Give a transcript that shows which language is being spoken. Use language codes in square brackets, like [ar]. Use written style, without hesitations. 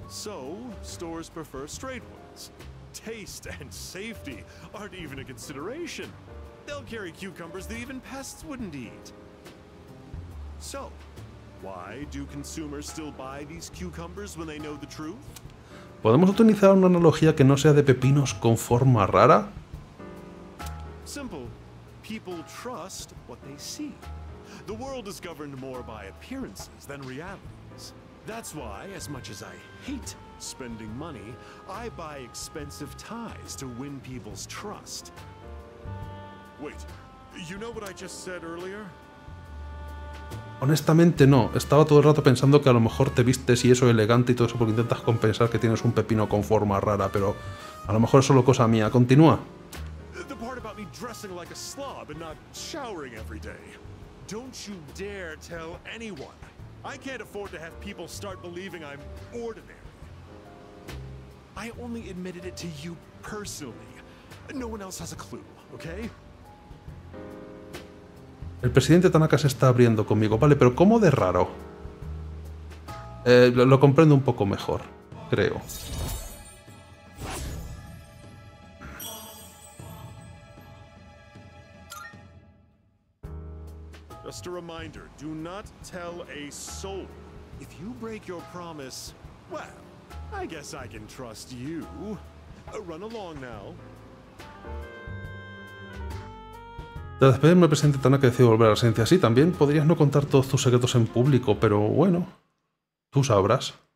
[en] So, stores prefer straight ones. Taste and safety aren't even a consideration. They'll carry cucumbers that even pests wouldn't eat. So, why do consumers still buy these cucumbers when they know the truth? [es] ¿Podemos utilizar una analogía que no sea de pepinos con forma rara? [en] Simple. People trust what they see. The world is governed more by appearances than realities. That's why, as much as I hate spending money, I buy expensive ties to win people's trust. Wait, you know what I just said earlier? [es] Honestamente no, estaba todo el rato pensando que a lo mejor te vistes y eso elegante y todo eso porque intentas compensar que tienes un pepino con forma rara, pero a lo mejor es solo cosa mía. Continúa. [en] The part about me dressing like a slob and not showering every day. Don't you dare tell anyone. I can't afford to have people start believing I'm ordinary. I only admitted it to you personally. No one else has a clue, okay? [es] El presidente Tanaka se está abriendo conmigo. Vale, pero ¿cómo de raro? Lo comprendo un poco mejor, creo. [en] Just a reminder, do not tell a soul. If you break your promise, well, I guess I can trust you. Run along now. [es] De despedirme, presidente Tanaka, decidió volver a la ciencia. Sí, también podrías no contar todos tus secretos en público, pero bueno, tú sabrás.